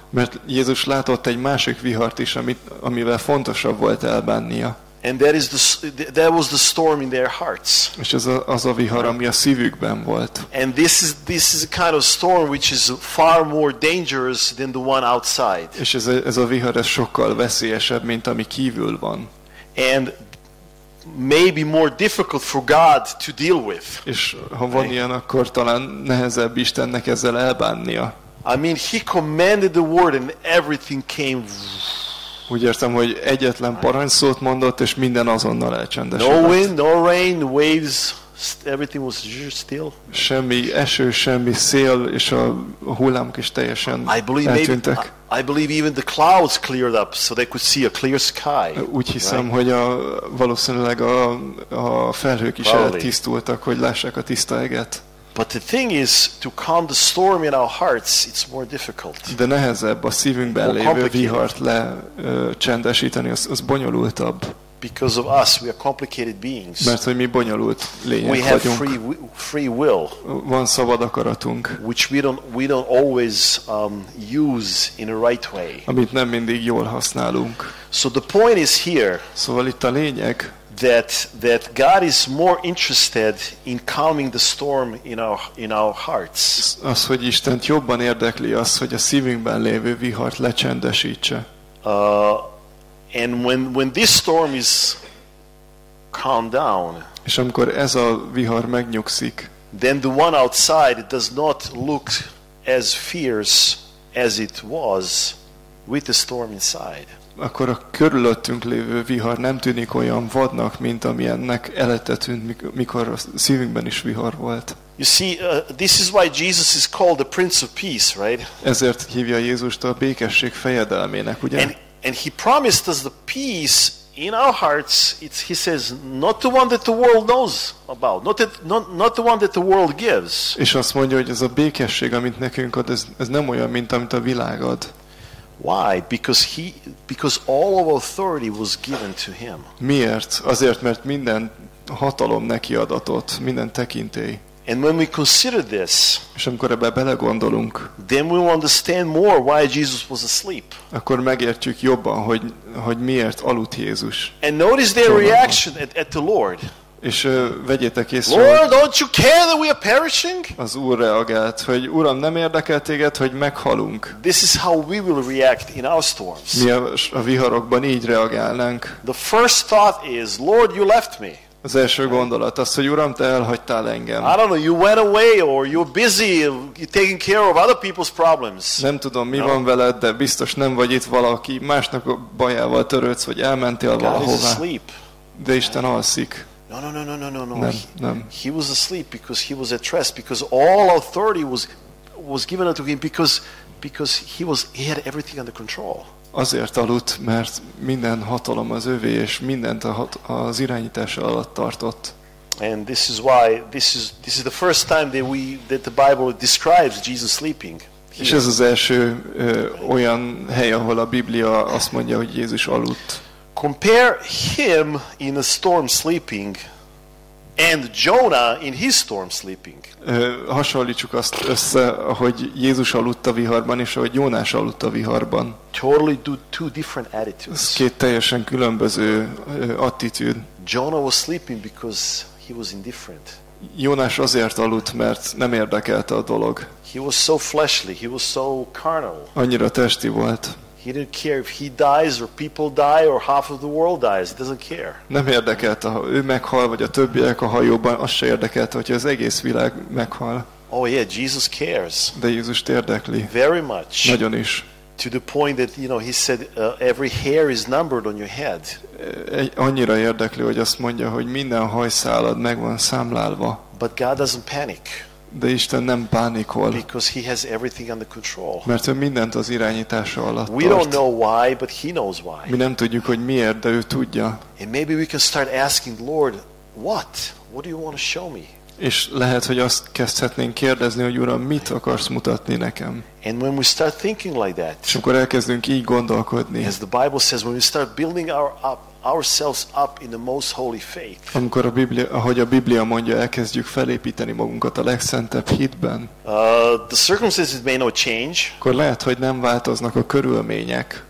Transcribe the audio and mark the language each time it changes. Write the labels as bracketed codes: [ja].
[hu] Mert Jézus látott egy másik vihart is, amivel fontosabb volt elbánnia. [en] And that is the that was the storm in their hearts. [hu] És ez az a vihar, ami a szívükben volt. [en] And this is a kind of storm which is far more dangerous than the one outside. [hu] És ez a vihar, ez sokkal veszélyesebb, mint ami kívül van. [en] And maybe more difficult for God to deal with. [hu] És ha van ilyen, akkor talán nehezebb Istennek ezzel elbánnia. [en] I mean, he commanded the word and everything came. [hu] Úgy értem, hogy egyetlen parancsszót mondott, és minden azonnal elcsendesedett. [en] No wind, no rain, waves, everything was still. [hu] Semmi eső, semmi szél, és a hullámok is teljesen eltűntek. [en] I believe even the clouds cleared up, so they could see a clear sky. [hu] Úgy hiszem, [en] right? [hu] Hogy valószínűleg a felhők is eltisztultak, hogy lássák a tiszta eget. [en] But the thing is, to calm the storm in our hearts, it's more difficult. [hu] De nehezebb a szívünkben lévő vihart lecsendesíteni, az bonyolultabb. [en] Because of us, we are complicated beings. [hu] Mert hogy mi bonyolult lények vagyunk. [en] We have free will. [hu] Van szabad akaratunk. [en] Which we don't always use in a right way. [hu] Amit nem mindig jól használunk. [en] So the point is here. [hu] Szóval itt a lényeg. [en] That God is more interested in calming the storm in our hearts. [hu] Az, hogy Istent jobban érdekli az, hogy a szívünkben lévő vihart lecsendesítse. [en] And when this storm is calmed down. [hu] És amikor ez a vihar megnyugszik. [en] Then the one outside does not look as fierce as it was with the storm inside. [hu] Akkor a körülöttünk lévő vihar nem tűnik olyan vadnak, mint amilyennek előtte tűnt, mikor a szívünkben is vihar volt. [en] You see, this is why Jesus is called the Prince of Peace, right? [hu] Ezért hívja Jézust a békesség fejedelmének, ugye? [en] And he promised us the peace in our hearts. It's, he says, not the one that the world knows about, not the one that the world gives. [hu] És azt mondja, hogy ez a békesség, amit nekünk ad, ez nem olyan, mint amit a világ ad. [en] Why? Because all of authority was given to him. [hu] Miért? Azért, mert minden hatalom neki adatott, minden tekintély. [en] And when we consider this, [hu] és amikor ebbe belegondolunk, [en] then we will understand more why Jesus was asleep. [hu] Akkor megértjük jobban, hogy miért aludt Jézus. [en] And notice their reaction at the Lord. [hu] És vegyétek észre, [en] Lord, don't you care that we are perishing? [hu] Az Úr reagált, hogy Uram, nem érdekel téged, hogy meghalunk. [en] This is how we will react in our storms. [hu] Mi a viharokban így reagálnánk. [en] The first thought is, Lord, you left me. [hu] Az első gondolat az, hogy Uram, te elhagytál engem. [en] I don't know, you went away or you're busy taking care of other people's problems. [hu] Nem tudom, mi van veled, de biztos nem vagy itt valaki másnak a bajával törődsz, vagy elmentél valahova. De Isten alszik. [en] No. [hu] Nem. [en] He was asleep because he was at rest, because all authority was given unto him because he had everything under control. [hu] Azért aludt, mert minden hatalom az övé, és mindent az irányítása alatt tartott. [en] And this is why this is the first time that the Bible describes Jesus sleeping. [hu] És ez az első olyan hely, ahol a Biblia azt mondja, hogy Jézus aludt. [en] Compare him in a storm sleeping and Jonah in his storm sleeping. [hu] Hasonlítsuk azt össze, ahogy Jézus aludt a viharban, és ahogy Jónás aludt a viharban. [en] Totally two different attitudes. [hu] Két teljesen különböző attitűd. [en] Jonah was sleeping because he was indifferent. [hu] Jónás azért aludt, mert nem érdekelte a dolog. [en] He was so fleshly, he was so carnal. [hu] Annyira testi volt. [en] He didn't care if he dies or people die or half of the world dies. He doesn't care. [hu] Nem érdekelte, ha ő meghal, vagy a többiek a hajóban, az se érdekelte, hogyha az egész világ meghal. [en] Oh yeah, Jesus cares. [hu] De Jézust érdekli. [en] Very much. [hu] Nagyon is. [en] To the point that, you know, he said every hair is numbered on your head. [hu] Annyira érdekli, hogy azt mondja, hogy minden hajszálad meg van számlálva. [en] But God doesn't panic. [hu] De Isten nem pánikol. [en] Because he has everything under control. [hu] Mert ő mindent az irányítása alatt tart. [en] We don't know why, but he knows why. [hu] Mi nem tudjuk, hogy miért, de ő tudja. [en] And maybe we can start asking the Lord, what do you want to show me? [hu] És lehet, hogy azt kezdhetnénk kérdezni, hogy Uram, mit akarsz mutatni nekem? [en] And when we start thinking like that. [hu] És akkor elkezdünk így gondolkodni. [en] As the Bible says, when we start building ourselves up in the most holy faith. [hu] Amikor ahogy a Biblia mondja, elkezdjük felépíteni magunkat a legszentebb hitben. [en] The circumstances may not change. [hu] Akkor lehet, hogy nem változnak a körülmények.